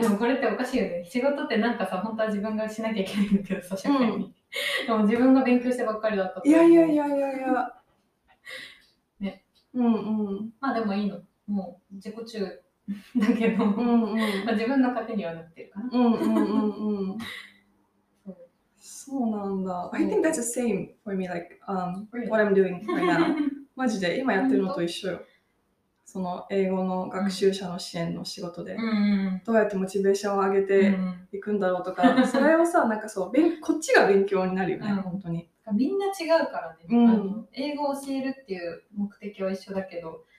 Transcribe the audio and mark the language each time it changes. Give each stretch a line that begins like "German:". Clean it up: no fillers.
Japanese: でもこれっておかしいよね。仕事ってなんかさ、本当は自分がしなきゃいけないんだけどさ、社会に、うん、でも自分が勉強してばっかりだったから、ね、いやいやいやいや、ね、うんうん、まあでもいいの、もう自己中だけど、うんうん、まあ、自分の糧にはなってるかな、うんうんうんうん。そうなんだ。
English: I think that's the same for me, like, really? What I'm doing right now.
Japanese: マジで、今やってるのと一緒よ。その英語の学習者の支援の仕事で、うん、どうやってモチベーションを上げていくんだろうとか、うん、それをさ、なんかそう、こっちが勉強になるよね、うん、本当に。みんな違うからね、うん、英語を教えるっていう目的は一緒だけど、